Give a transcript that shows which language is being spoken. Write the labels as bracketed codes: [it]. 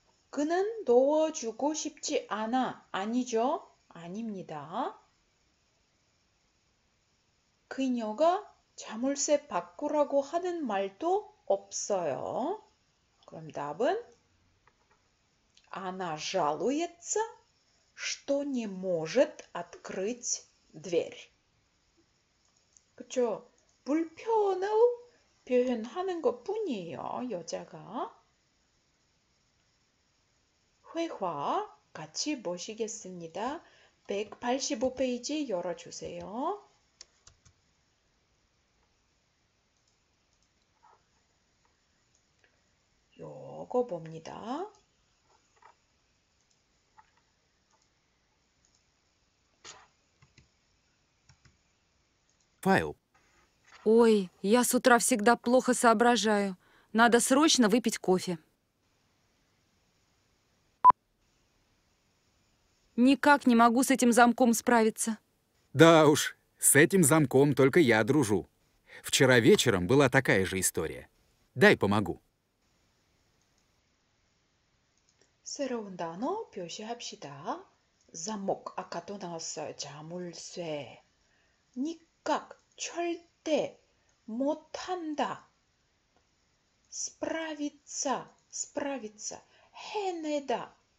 [ko] 그는 도와주고 싶지 않아. 아니죠? 아닙니다. 그녀가 자물쇠 바꾸라고 하는 말도 없어요. 그럼 답은 [ru] Она жалуется, что не может открыть дверь. [ko] 그쵸? 불편을 표현하는 것뿐이에요, 여자가. 회화 같이 보시겠습니다. 185페이지 열어주세요. 요거 봅니다. 파일. [ru] Ой, я с утра всегда плохо соображаю. Надо срочно выпить кофе. Никак не могу с этим замком справиться. Да уж, с этим замком только я дружу. Вчера вечером была такая же история. Дай помогу. [ko] 새로운 단어 표시합시다. 자목, 아까도 나왔어요. 자물쇠. 니깍, 절대 못한다. 스프라비차, 스프라비차, 해내다.